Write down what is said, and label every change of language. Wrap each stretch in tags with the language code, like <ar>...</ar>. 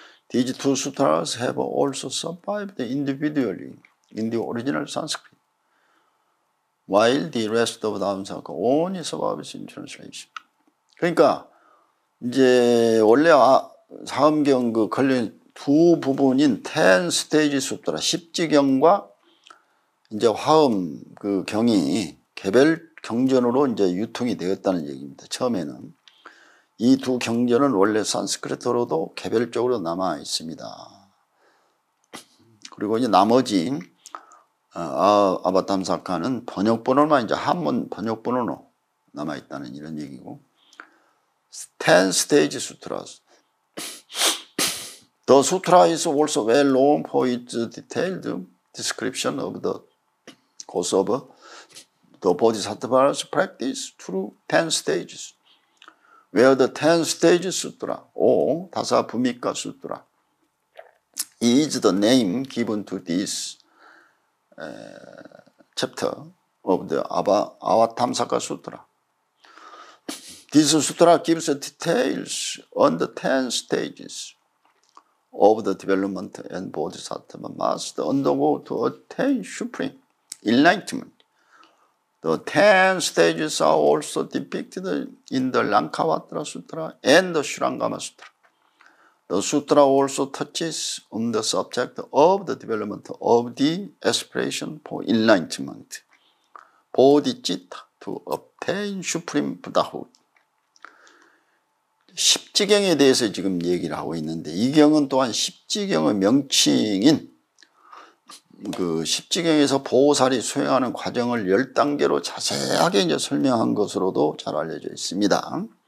<en>These two sutras have also survived individually in the original Sanskrit, while the rest of the Ahamsata only survives in translation.</en> <ko>그러니까 이제 원래 사음경 그 걸린 두 부분인 10 스테이지 숫더라 십지경과 이제 화음 그 경이 개별 경전으로 이제 유통이 되었다는 얘기입니다. 처음에는 이 두 경전은 원래 산스크리트어로도 개별적으로 남아 있습니다. 그리고 이제 나머지 아바탐사카는 번역본으로만 이제 한문 번역본으로 남아 있다는 이런 얘기고, 10 스테이지 수트라스.</ko> <en>The sutra is also well known for its detailed description of the course of the Bodhisattva's practice through 10 stages, where the 10 stage sutra or Dasabhumika sutra is the name given to this chapter of the Avatamsaka sutra. This sutra gives details on the 10 stages of the development and Bodhisattva must undergo to attain supreme enlightenment. The 10 stages are also depicted in the Lankavatara Sutra and the Surangama Sutra. The sutra also touches on the subject of the development of the aspiration for enlightenment, Bodhicitta, to obtain supreme Buddhahood.</en> <ko>십지경에 대해서 지금 얘기를 하고 있는데, 이 경은 또한 십지경의 명칭인, 그 십지경에서 보살이 수행하는 과정을 10단계로 자세하게 이제 설명한 것으로도 잘 알려져 있습니다.</ko>